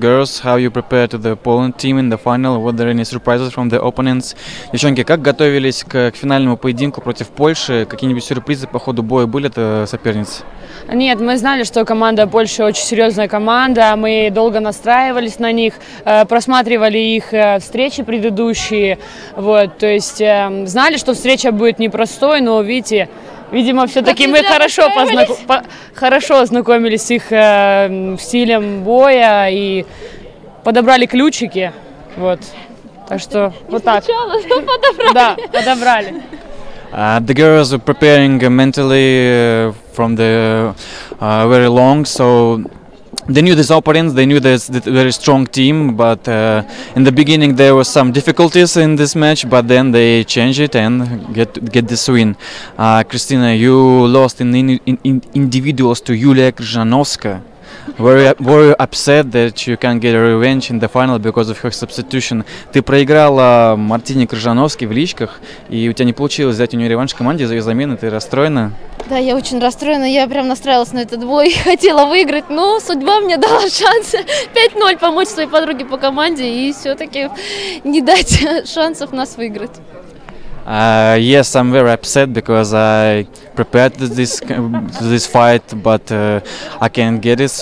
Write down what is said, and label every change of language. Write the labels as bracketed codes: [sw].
[en] Girls, how you prepare to the Poland team in the final? Were there any surprises from the opponents? [ru] Девчонки, как готовились к финальному поединку против Польши? Какие-нибудь сюрпризы по ходу боя были от соперниц? Нет, мы знали, что команда Польши очень серьезная команда. Мы долго настраивались на них, просматривали их встречи предыдущие. Вот, то есть знали, что встреча будет непростой, но видите... Видимо, все-таки мы хорошо, хорошо ознакомились с их стилем боя и подобрали ключики. Вот. Так что вот так. Сначала, но подобрали. Да, подобрали. [en] The girls are preparing mentally from the very long, so they knew this opponents, they knew this very strong team, but in the beginning there were some difficulties in this match, but then they changed it and get this win. Christina, you lost in individuals to Yulia Krzyżanowska. Were you upset that you can't get a revenge in the final because of her substitution? [ru] Ты проиграла Мартине Крыжановске в личках, и у тебя не получилось взять у нее реванш в команде за ее замену, ты расстроена? Да, я очень расстроена, я прям настраивалась на этот бой, хотела выиграть, но судьба мне дала шанс 5-0 помочь своей подруге по команде и все-таки не дать шансов нас выиграть. [en] Yes, I'm very upset because I prepared this fight, but I can't get it.